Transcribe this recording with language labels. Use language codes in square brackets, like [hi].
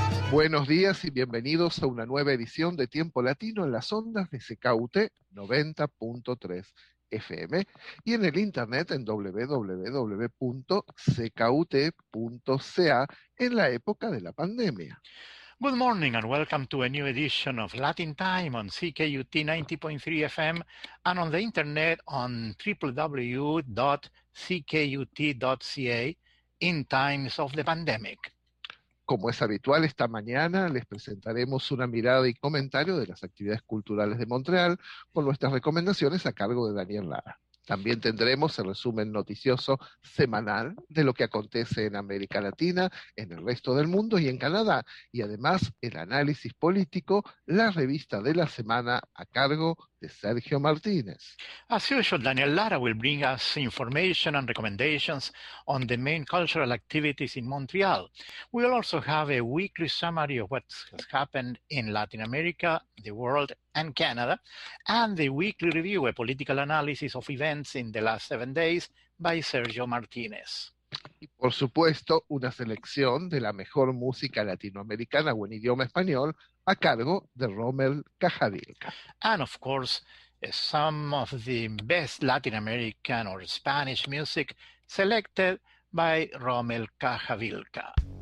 [es] Buenos días y bienvenidos a una nueva edición de Tiempo Latino en las ondas de CKUT 90.3 FM y en el internet en www.ckut.ca en la época de la pandemia. [en] Good morning and welcome to a new edition of Latin Time on CKUT 90.3 FM and on the internet on www.ckut.ca in times of the pandemic. [es] Como es habitual, esta mañana les presentaremos una mirada y comentario de las actividades culturales de Montreal con nuestras recomendaciones a cargo de Daniel Lara. También tendremos el resumen noticioso semanal de lo que acontece en América Latina, en el resto del mundo y en Canadá. Y además, el análisis político, la revista de la semana a cargo de Sergio Martínez. [en] As usual, Daniel Lara will bring us information and recommendations on the main cultural activities in Montreal. We will also have a weekly summary of what has happened in Latin America, the world, and Canada, and the weekly review, a political analysis of events in the last 7 days, by Sergio Martínez. [es] Y por supuesto, una selección de la mejor música latinoamericana o en idioma español a cargo de Rommel Cajadilca. [en] And of course, some of the best Latin American or Spanish music selected by Rommel Cajavilca.